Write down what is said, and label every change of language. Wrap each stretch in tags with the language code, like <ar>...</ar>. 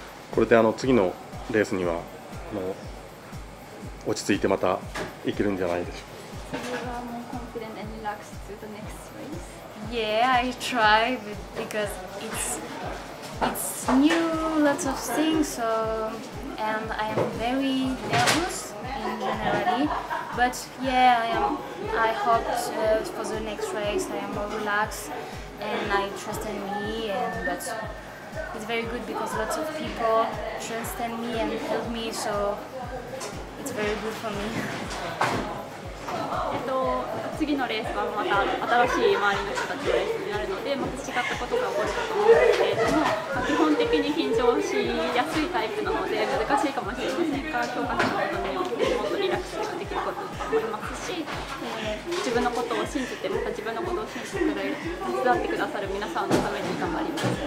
<ja>これであの次のレースにはあの落ち着いてまた行けるんじゃないでしょうか。</ja> <en>You are more confident and relaxed to the next race? Yeah, I try because it's new, lots of things, so, and I am very nervous in generally. But yeah, I hope for the next race I am more relaxed and I trust in me and but. It's very good because lots of people trust in me and help me, so it's very good for me.</en> <ja>次のレースはまた新しい周りの人たちのレースになるので、また違ったことが起こるかと思うんですけれども、まあ、基本的に緊張しやすいタイプなので、難しいかもしれませんが、強化したことによってもっとリラックスできることだと思いますし、自分のことを信じて、また自分のことを信じてくれる、手伝ってくださる皆さんのために頑張ります。</ja>